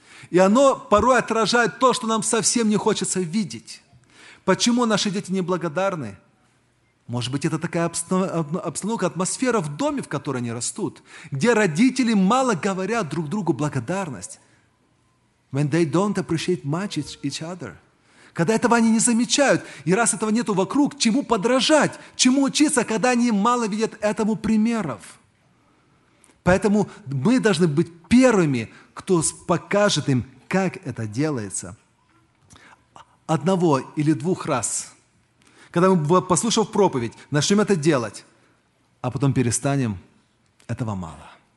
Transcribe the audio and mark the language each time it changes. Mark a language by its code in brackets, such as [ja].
[ru] И оно порой отражает то, что нам совсем не хочется видеть. Почему наши дети неблагодарны? Может быть, это такая обстановка, атмосфера в доме, в которой они растут, где родители мало говорят друг другу благодарность. [en] When they don't appreciate much each other. [ru] Когда этого они не замечают, и раз этого нету вокруг, чему подражать, чему учиться, когда они мало видят этому примеров. Поэтому мы должны быть первыми, кто покажет им, как это делается. Одного или двух раз, когда мы, послушав проповедь, начнем это делать, а потом перестанем, этого мало.